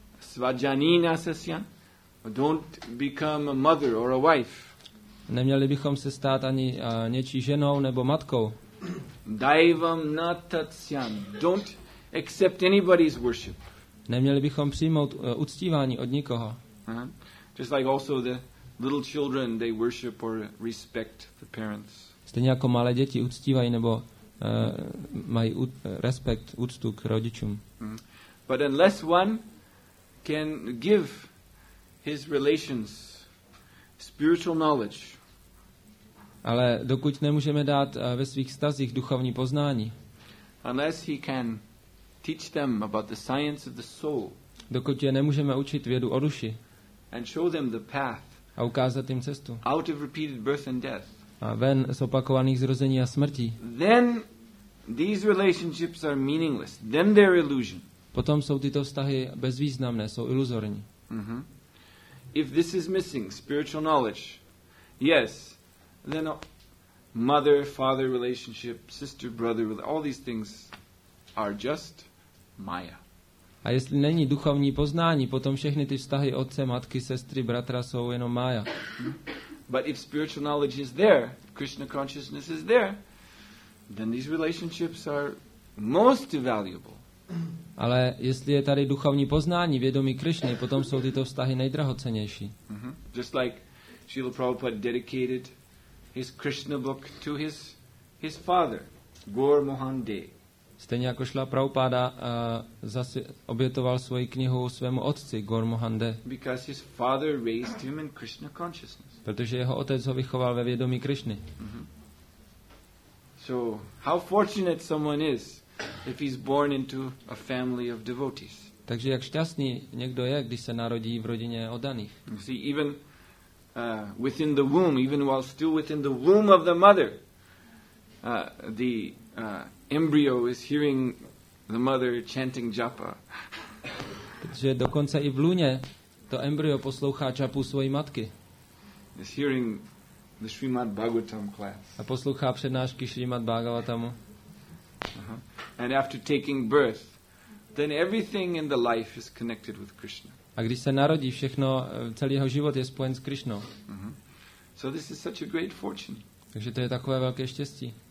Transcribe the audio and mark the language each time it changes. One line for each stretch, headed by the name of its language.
Sanskrit: Svadžani nasasyan.
English: Don't become a mother or a wife.
Czech: Neměli bychom se stát ani něčí ženou nebo matkou.
Sanskrit: Daivam natatsyan.
English: Don't accept anybody's worship.
Czech: Neměli bychom přijmout uctívání od nikoho.
English: Just like also the little children, they worship or respect the parents.
Czech: Stejně jako malé děti uctívají nebo mají respekt, úctu k rodičům.
English: But unless one can give his relations spiritual knowledge.
Czech: Ale dokud nemůžeme dát ve svých stazích duchovní poznání.
English: Unless he can teach them about the science of the soul.
Czech: Dokud je nemůžeme učit vědu o duši.
English: And show them the path.
Czech: A ukázat jim cestu.
English: Out of repeated birth and death.
Czech: A ven z opakovaných zrození a smrti.
English: Then these relationships are meaningless. Then they're illusion.
Czech: Potom jsou tyto vztahy bezvýznamné, jsou iluzorní.
English: If this is missing spiritual knowledge. Yes. Then mother father relationship, sister brother, all these things are just maya.
Czech: A jestli není duchovní poznání, potom všechny ty vztahy otce, matky, sestry, bratra jsou jenom maya.
English: But if spiritual knowledge is there, Krishna consciousness is there, then these relationships are most valuable.
Czech: Ale jestli je tady duchovní poznání, vědomí Krishny, potom jsou tyto vztahy nejdrahocennější.
English: Just like Srila Prabhupada dedicated his Krishna book to his father, Gaur Mohan Day.
Czech: Stejně jako Srila Prabhupada zase obětoval svoji knihu svému otci Gaur Mohan Day.
English: Because his father raised him in Krishna consciousness.
Czech: Protože jeho otec ho vychoval ve vědomí Krishny.
English: So how fortunate someone is if he's born into a family of devotees.
Czech: Takže jak šťastný někdo je, když se narodí v rodině oddaných.
English: See, even within the womb, even while still within the womb of the mother, the embryo is hearing the mother chanting japa.
Czech: Takže dokonce i v lůně to embryo poslouchá japu svojí matky.
English: Is hearing the Srimad Bhagavatam class.
Czech: A poslouchá přednášky Srimad Bhagavatamu.
English: And after taking birth, then everything in the life is connected with Krishna.
Czech: A když se narodí, všechno, celý jeho život je spojen s Krishnou.
English: So this is such a great fortune.
Czech: Takže to je takové velké štěstí.